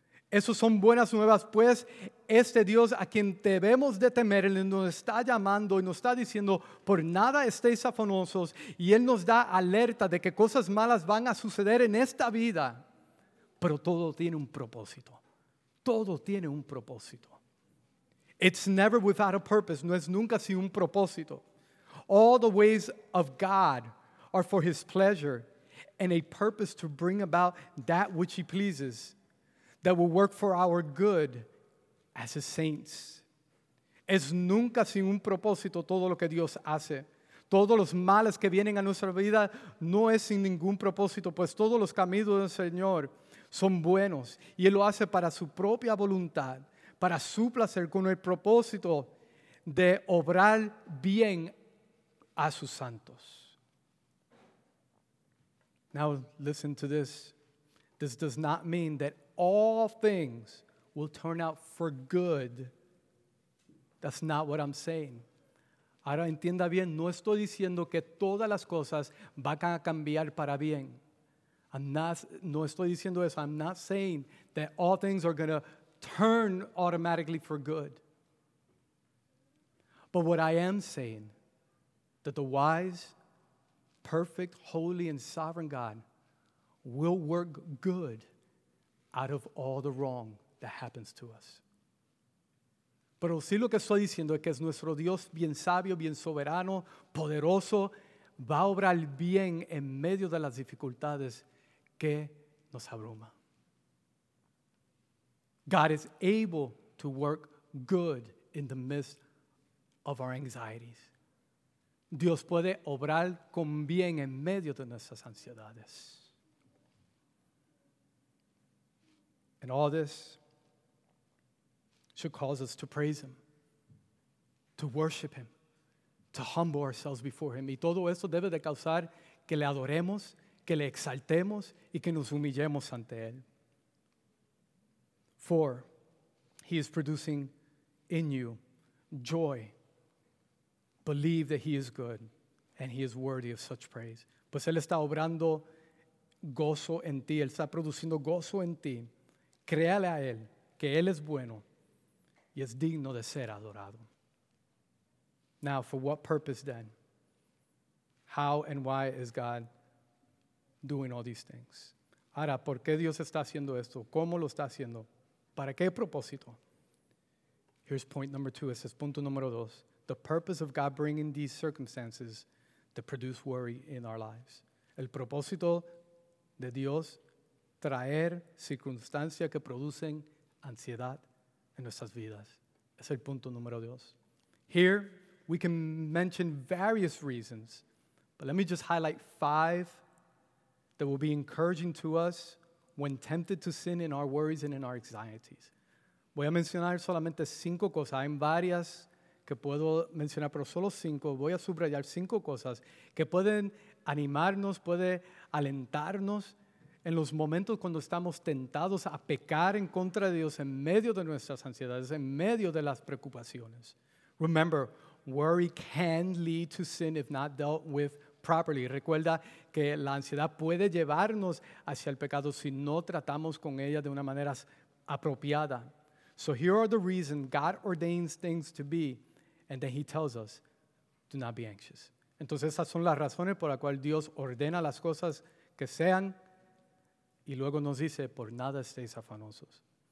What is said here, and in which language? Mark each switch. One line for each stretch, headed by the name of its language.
Spanish: Esos son buenas nuevas, pues este Dios a quien debemos de temer, Él nos está llamando y nos está diciendo, por nada estéis afanosos, y Él nos da alerta de que cosas malas van a suceder en esta vida, pero todo tiene un propósito. Todo tiene un propósito.
English: It's never without a purpose,
Spanish: no es nunca sin un propósito.
English: All the ways of God are for His pleasure and a purpose to bring about that which He pleases, that will work for our good as His saints.
Spanish: Es nunca sin un propósito todo lo que Dios hace. Todos los males que vienen a nuestra vida no es sin ningún propósito, pues todos los caminos del Señor son buenos. Y Él lo hace para su propia voluntad, para su placer, con el propósito de obrar bien a sus santos.
English: Now listen to this. This does not mean that all things will turn out for good. That's not what I'm saying.
Spanish: Ahora entienda bien, no estoy diciendo que todas las cosas van a cambiar para bien. No estoy diciendo eso.
English: I'm not saying that all things are going to turn automatically for good. But what I am saying, that the wise, perfect, holy, and sovereign God will work good out of all the wrong that happens to us.
Spanish: Pero sí, lo que estoy diciendo es que es nuestro Dios bien sabio, bien soberano, poderoso, va a obrar bien en medio de las dificultades que nos abruma.
English: God is able to work good in the midst of our anxieties.
Spanish: Dios puede obrar con bien en medio de nuestras ansiedades.
English: And all this should cause us to praise Him, to worship Him, to humble ourselves before Him.
Spanish: Y todo esto debe de causar que le adoremos, que le exaltemos y que nos humillemos ante Él.
English: For He is producing in you joy. Believe that He is good and He is worthy of such praise.
Spanish: Pues Él está obrando gozo en ti, Él está produciendo gozo en ti. Créale a Él, que Él es bueno y es digno de ser adorado.
English: Now, for what purpose then? How and why is God doing all these things?
Spanish: Ahora, ¿por qué Dios está haciendo esto? ¿Cómo lo está haciendo? ¿Para qué propósito?
English: Here's point number two.
Spanish: Este es punto número dos.
English: The purpose of God bringing these circumstances to produce worry in our lives.
Spanish: El propósito de Dios traer circunstancias que producen ansiedad en nuestras vidas. Es el punto número dos.
English: Here, we can mention various reasons, but let me just highlight five that will be encouraging to us when tempted to sin in our worries and in our anxieties.
Spanish: Voy a mencionar solamente cinco cosas. Hay varias que puedo mencionar, pero solo cinco. Voy a subrayar cinco cosas que pueden animarnos, puede alentarnos en los momentos cuando estamos tentados a pecar en contra de Dios, en medio de nuestras ansiedades, en medio de las preocupaciones.
English: Remember, worry can lead to sin if not dealt with properly.
Spanish: Recuerda que la ansiedad puede llevarnos hacia el pecado si no tratamos con ella de una manera apropiada.
English: So here are the reasons God ordains things to be, and then he tells us, do not be anxious.
Spanish: Entonces esas son las razones por las cuales Dios ordena las cosas que sean, y luego nos dice, por nada estéis afanosos.